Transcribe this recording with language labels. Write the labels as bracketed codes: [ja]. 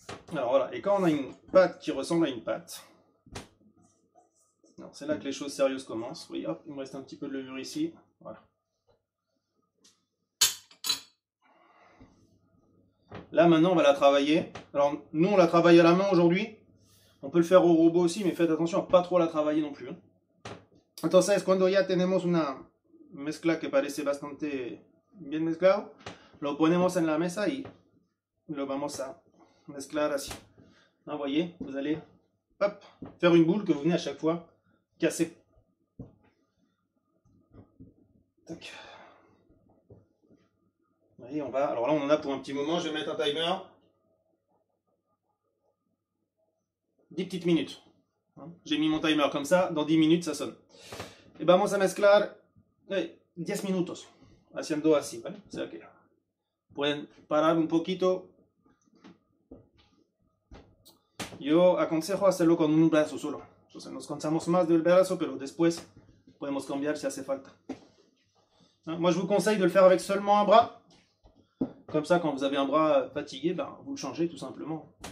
[fr] Voilà, et quand on a une pâte qui ressemble à une pâte, c'est là que les choses sérieuses commencent. Oui, hop, il me reste un petit peu de levure ici. Voilà. Là, maintenant, on va la travailler. Alors, nous, on la travaille à la main aujourd'hui. On peut le faire au robot aussi, mais faites attention à ne pas trop la travailler non plus. [es] Entonces, cuando ya tenemos una mezcla que parece bastante bien mezclado, lo ponemos en la mesa y lo vamos a mezclar así. [fr] Vous voyez, vous allez hop, faire une boule que vous venez à chaque fois. Cassé. Tac. Voyez, on va. Alors là, on en a pour un petit moment. Je vais mettre un timer. 10 petites minutes. J'ai mis mon timer comme ça. Dans 10 minutes, ça sonne. [es] Et vamos a mezclar 10 minutos. Haciendo así, ¿vale? [fr] C'est ok. Vous pouvez [es] parar un poquito. Yo aconsejo hacerlo con un brazo solo. Entonces nos cansamos más del brazo, pero después podemos cambiar si hace falta. Hein? [fr] Moi, je vous conseille de le faire avec seulement un bras. Comme ça, quand vous avez un bras fatigué, ben, vous le changez tout simplement.